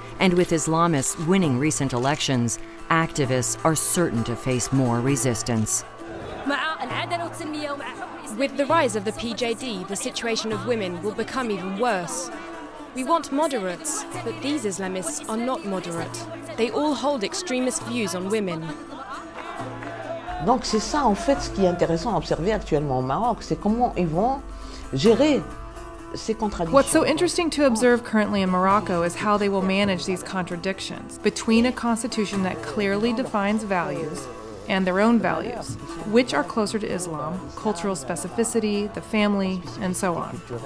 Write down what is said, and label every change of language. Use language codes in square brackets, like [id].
[en] And with Islamists winning recent elections, activists are certain to face more resistance. With the rise of the PJD, the situation of women will become even worse. We want moderates, but these Islamists are not moderate. They all hold extremist views on women. [fr] Donc c'est ça en fait ce qui est intéressant à observer actuellement au Maroc, c'est comment ils vont gérer. [en] What's so interesting to observe currently in Morocco is how they will manage these contradictions between a constitution that clearly defines values and their own values, which are closer to Islam, cultural specificity, the family, and so on.